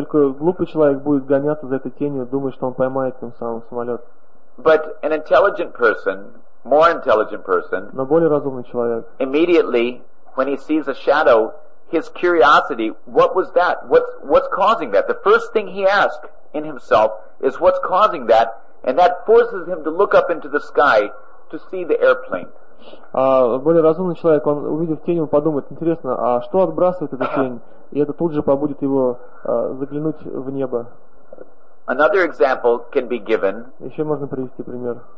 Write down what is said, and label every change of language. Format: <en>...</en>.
<ru>Только глупый человек будет гоняться за этой тенью, думая, что он поймает тем самым самолет.</ru> <en>But an intelligent person, more intelligent person,</en> <ru>но более разумный человек,</ru> <en>immediately when he sees a shadow, his curiosity, what was that? What's causing that? The first thing he asks in himself is what's causing that, and that forces him to look up into the sky to see the airplane.</en> <ru>Более разумный человек, он увидев тень, он подумает, интересно, а что отбрасывает эта тень? И это тут же побудит его заглянуть в небо.</ru> <en>Another example can be given.</en> <ru>Еще можно привести пример.</ru>